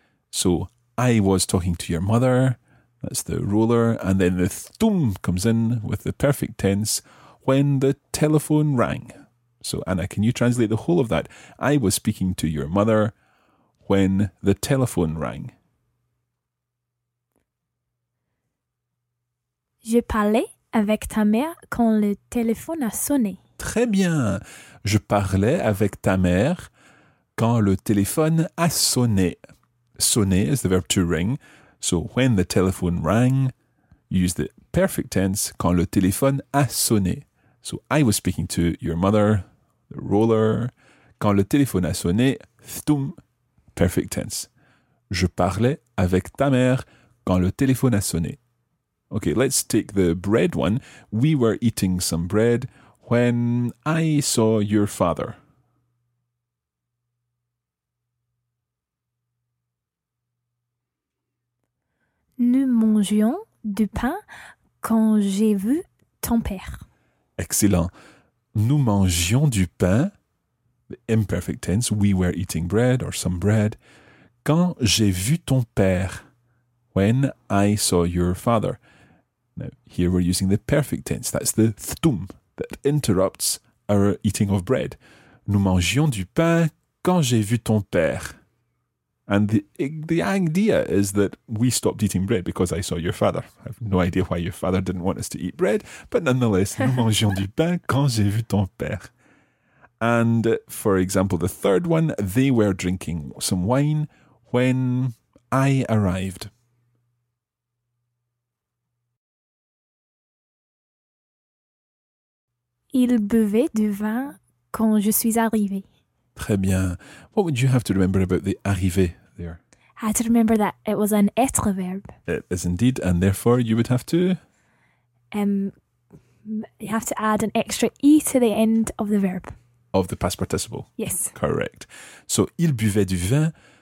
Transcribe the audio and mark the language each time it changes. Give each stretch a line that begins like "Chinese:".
English: So, I was talking to your mother. That's the roller, and then the thum comes in with the perfect tense when the telephone rang. So, Anna, can you translate the whole of that? I was speaking to your mother when the telephone rang.
French: Je parlais avec ta mère quand le téléphone a sonné. Très bien. Je parlais avec ta mère quand le téléphone a sonné.
English: Sonner is the verb to ring. So, when the telephone rang, use the perfect tense,
French: quand le téléphone a sonné.
English: So, I was speaking to your mother, the roller.
French: Quand le téléphone a sonné,
English: thtum, perfect tense.
French: Je parlais avec ta mère quand le téléphone a sonné.
English: Okay, let's take the bread one. We were eating some bread when I saw your father.
French: Nous mangions du pain quand j'ai vu ton père.
English: Excellent.
French: Nous mangions du pain,
English: the imperfect tense, we were eating bread or some bread,
French: quand j'ai vu ton père,
English: when I saw your father. Now, here we're using the perfect tense, that's the thtum, that interrupts our eating of bread.
French: Nous mangions du pain quand j'ai vu ton père.
English: And the idea is that we stopped eating bread because I saw your father. I have no idea why your father didn't want us to eat bread, but nonetheless,
French: nous mangeons du pain quand j'ai vu ton père.
English: And for example, the third one, they were drinking some wine when I arrived.
French: Il buvait du vin quand je suis arrivée. Très bien.
English: What would you have to remember about the arriver there? I had to remember that it was an être verb. It is indeed, and therefore you would have to... You have to add an extra E to the end of the verb. Of the past participle. Yes. Correct. So,
French: il buvait du vin.